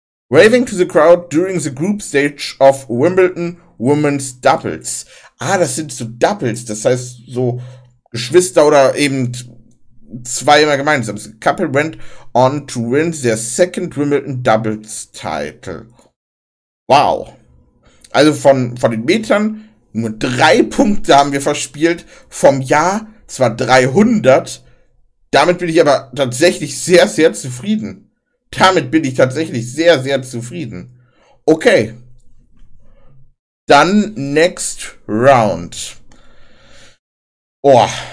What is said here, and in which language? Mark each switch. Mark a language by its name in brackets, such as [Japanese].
[English] Waving to the crowd during the group stage of Wimbledon Women's Doubles. [German] Ah, das sind so Doubles, das heißt so Geschwister oder eben zwei immer gemeinsam. [English] The couple went on to win their second Wimbledon Doubles Title. Wow. [German] Also von den Metern nur 3 Punkte haben wir verspielt. Vom Jahr zwar 300. Damit bin ich aber tatsächlich sehr, sehr zufrieden. Damit bin ich tatsächlich sehr, sehr zufrieden. Okay. Dann [English] next round. [German] Oh.